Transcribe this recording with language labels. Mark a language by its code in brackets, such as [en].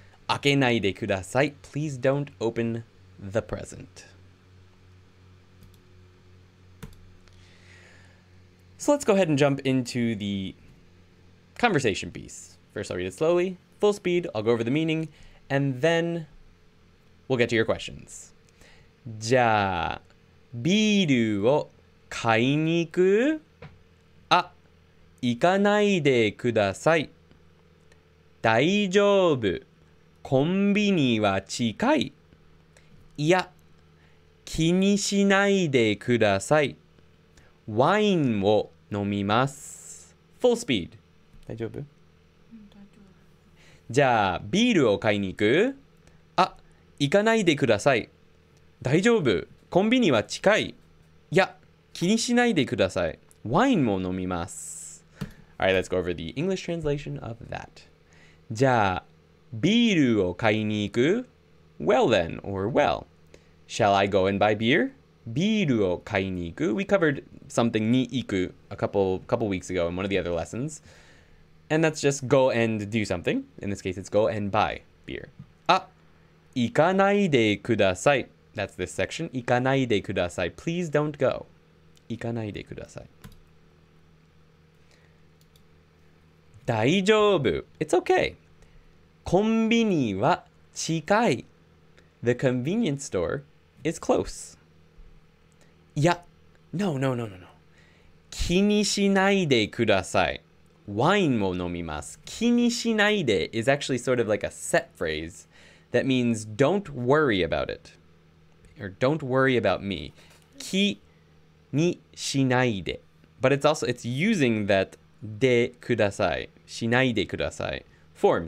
[ja] Akenai de kudasai. [en] Please don't open the present. So let's go ahead and jump into the conversation piece. First, I'll read it slowly, full speed. I'll go over the meaning, and then we'll get to your questions. [ja] じゃあ、ビールを買いに行く? あ、行かないでください。大丈夫。コンビニは近い。いや、気にしないでください。ワインを飲みます。 [en] Full speed. [ja] 大丈夫? じゃあ、ビールを買いに行く?あ、行かないでください。大丈夫。コンビニは近い。いや、気にしないでください。ワインも飲みます。 [en] Alright, let's go over the English translation of that. [ja] じゃあ、ビールを買いに行く? [en] Well then, or well. Shall I go and buy beer? [ja] ビールを買いに行く? [en] We covered something に行く a couple weeks ago in one of the other lessons. And that's just go and do something. In this case, it's go and buy beer. [ja] あ、行かないでください。 [en] That's this section. [ja] 行かないでください。 [en] Please don't go. 行かないでください。 [ja] 大丈夫。 [en] It's okay. [ja] コンビニは近い。 [en] The convenience store is close. [ja] いや、 [en] No. [ja] 気にしないでください。 Wine を飲みます。 [en] 気にしないで is actually sort of like a set phrase that means don't worry about it. Or don't worry about me. [ja] 気にしないで。 [en] But it's also, it's using that de kudasai, shinai de kudasai form.